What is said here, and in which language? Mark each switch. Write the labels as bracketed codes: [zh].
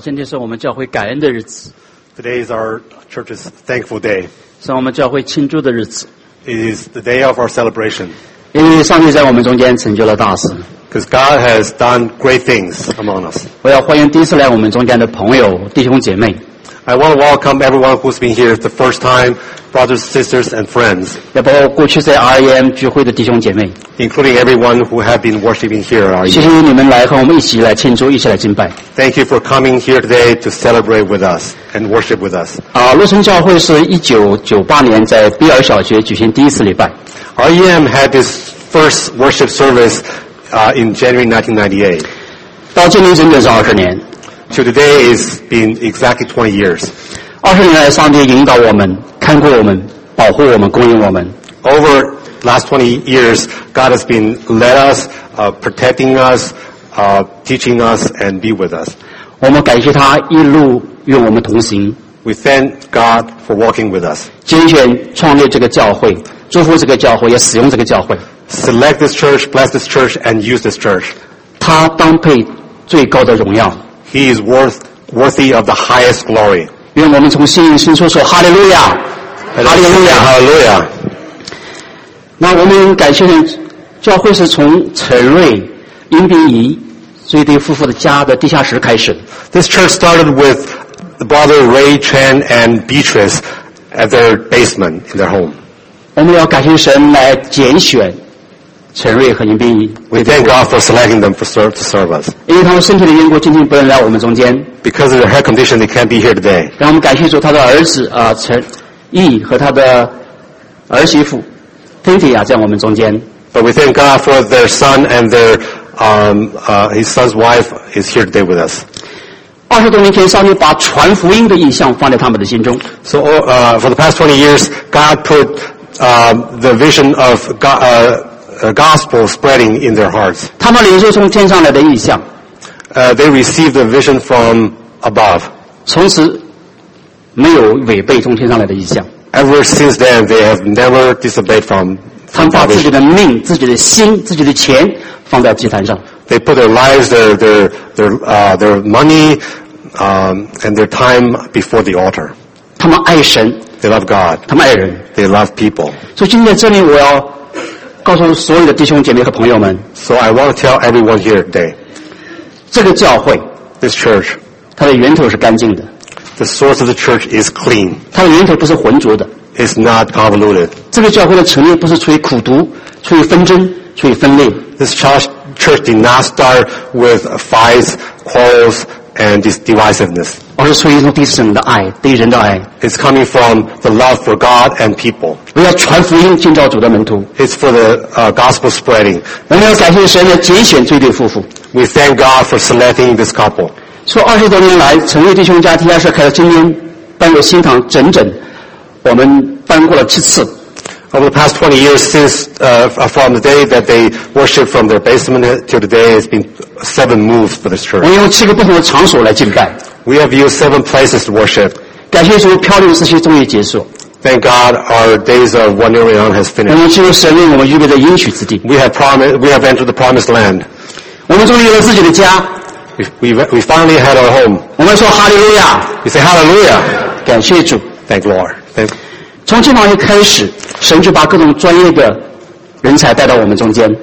[zh] 今天是我们教会感恩的日子。 [en] Today is our church's thankful day. [zh] 是我们教会庆祝的日子。 [en] It is the day of our celebration. [zh] 因为上帝在我们中间成就了大事。 [en] Because God has done great things among us. [zh] 我要欢迎第一次来我们中间的朋友、弟兄姐妹。 [en] I want to welcome everyone who's been here the first time, brothers, sisters, and friends. [zh] 也包括过去在 REM 聚会的弟兄姐妹。 [en] Including everyone who have been worshiping here. [zh] 谢谢你们来和我们一起来庆祝，一起来敬拜。 [en] Thank you for coming here today to celebrate with us and worship with us. [zh] 洛城教会是1998年在比尔小学举行第一次礼拜。 [en] REM had this first worship service, in January 1998. [zh] 到今年整整是20年。 [en] So today has been exactly 20 years. [zh] 20年来上帝引导我们，看顾我们，保护我们，供应我们。 [en] Over last 20 years, God has been led us, protecting us, teaching us, and be with us. [zh] 我们感谢他一路与我们同行。 [en] We thank God for walking with us. [zh] 精选创立这个教会，祝福这个教会，也使用这个教会。 [en] Select this church, bless this church, and use this church. [zh] 他当配最高的荣耀。 [en] He is worthy of the highest glory. [zh] 愿我们从心里深处说哈利路亚，哈利路亚，哈利路亚。那我们感谢人，教会是从陈瑞、殷秉仪、瑞迪夫妇的家的地下室开始。 [en] This church started with Brother Ray Chen and Beatrice at their basement in their home. [zh] 我们要感谢神来拣选。陈瑞和林斌仪 [en] ，We thank God for selecting them to serve us. [zh] 因为他们身体的缘故，今天不能来我们中间。 [en] Because of their health condition, they can't be here today. [zh] 让我们感谢主，他的儿子陈毅和他的儿媳妇 Cynthia 在我们中间。 [en] But we thank God for their son and their his son's wife is here today with us. [zh] 二十多年前，上帝把传福音的意向放在他们的心中。 [en] So for the past 20 years, God put the vision of God. Gospel spreading in their hearts. [zh] 他们领受从天上来的异象。 [en] They received a vision from above. [zh] 从此没有违背从天上来的异象。 [en] Ever since then, they have never disobeyed from. [zh] 他们把自己的命、自己的心、自己的钱放在祭坛上。 [en] They put their lives, their money, and their time before the altar. [zh] 他们爱神。 [en] They love God. [zh] 他们爱人。 [en] They love people. [zh] 所以今天这里我要。告诉所有的弟兄姐妹和朋友们 [en] So I want to tell everyone here today [zh] 这个教会 [en] This church [zh] 它的源头是干净的 [en] The source of the church is clean [zh] 它的源头不是浑浊的 [en] It's not convoluted [zh] 这个教会的成立不是出于苦读出于纷争出于分裂 [en] This church did not start with fights, quarrels and divisiveness [zh] 而是出于对神的爱对人的爱 [en] It's coming from the love for God and people [zh] 我们要传福音建造主的门徒 [en] It's for the gospel spreading [zh] 我们要感谢神的拣选这对夫妇 [en] We thank God for selecting this couple [zh] 说二十多年来陈瑞弟兄家地下室开始今天搬入新堂整整我们搬过了七次 [en] Over the past 20 years since from the day that they worship from their basement till today it's been 7 moves for this church [zh] 我们用七个不同的场所来敬拜 [en] We have used 7 places to worship [zh] 感谢主漂流时期终于结束 [en] Thank God our days of wandering on has finished. [zh] 我们进入神为我们预备的应许之地。 [en] We have entered the promised land. [zh] 我们终于有了自己的家。 [en] We finally had our home. [zh] 我们说哈利路亚。 [en] We say hallelujah. [zh] 感谢主。 [en] Thank Lord. [zh] 从今天开始，神就把各种专业的人才带到我们中间。